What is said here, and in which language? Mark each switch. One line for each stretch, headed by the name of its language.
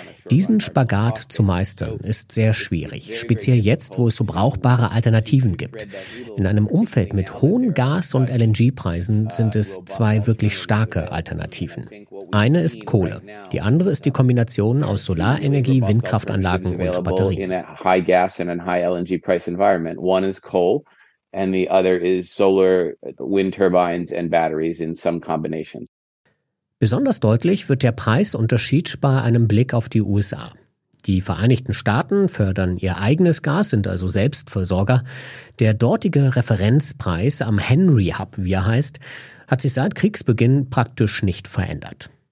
German: Diesen Spagat zu meistern ist sehr schwierig, speziell jetzt, wo es so brauchbare Alternativen gibt. In einem Umfeld mit hohen Gas- und LNG-Preisen sind es 2 wirklich starke Alternativen. Eine ist Kohle. Die andere ist die Kombination aus Solarenergie, Windkraftanlagen und Batterien.
English: In a high gas and a high LNG price environment. One is coal and the other is solar wind turbines and batteries in some combination.
German: Besonders deutlich wird der Preisunterschied bei einem Blick auf die USA. Die Vereinigten Staaten fördern ihr eigenes Gas, sind also Selbstversorger. Der dortige Referenzpreis am Henry Hub, wie er heißt, hat sich seit Kriegsbeginn praktisch nicht verändert.